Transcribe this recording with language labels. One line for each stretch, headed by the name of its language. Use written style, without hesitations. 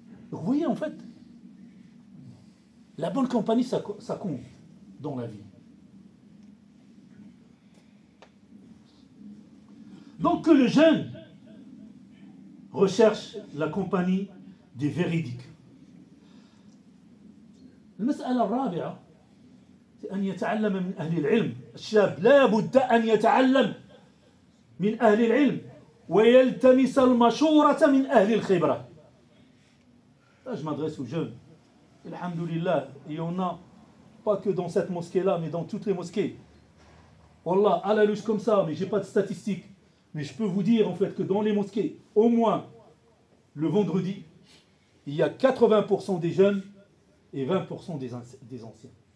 French: Vous voyez, en fait, la bonne compagnie, ça compte dans la vie. Donc que le jeune recherche la compagnie des véridiques.
Arabic: Le mas'ala rabi'a, أن يتعلم من أهل العلم الشاب لا بد أن يتعلم من أهل العلم ويلتمس المشورة من أهل الخبرة.
French: Je m'adresse aux jeunes.
Arabic: الحمد لله.
French: Il y en a pas que dans cette mosquée là, mais dans toutes les mosquées. Wallah, à la louche comme ça, mais j'ai pas de statistiques. Mais je peux vous dire en fait que dans les mosquées, au moins le vendredi, il y a 80% des jeunes et 20% des anciens.